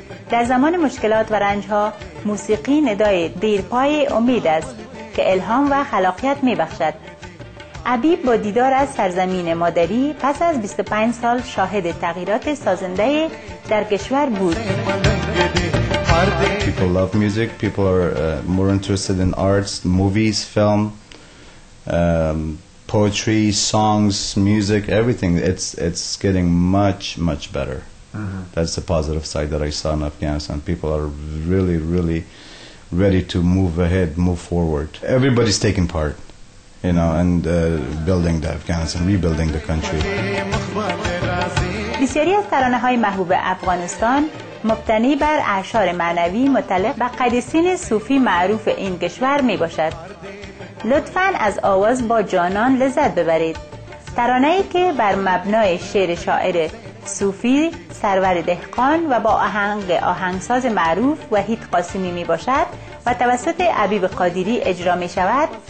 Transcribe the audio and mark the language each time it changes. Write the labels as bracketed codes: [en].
[fa] در زمان مشکلات و رنجها موسیقی ندای دیرپای امید است که الهام و خلاقیت میبخشد. عبیب با دیدار از سرزمین مادری پس از 25 سال شاهد تغییرات سازنده در کشور بود. [en] People love music. People are more interested in arts, movies, film, poetry, songs, music, everything. It's getting much, much better. Uh-huh. That's the positive side that I saw in Afghanistan. People are really, really ready to move ahead, move forward. Everybody's taking part, you know, and building the Afghanistan, rebuilding the country. [fa] بسیاری از ترانه‌های محبوب افغانستان مبتنی بر اشعار معنوی متعلق به قدسین صوفی معروف این کشور می باشد. لطفاً از آواز با جانان لذت ببرید. ترانه‌ای که بر مبنای شعر شاعر صوفی سرور دهقان و با آهنگ آهنگساز معروف وحید قاسمی می باشد و توسط عبیب قادری اجرا می شود،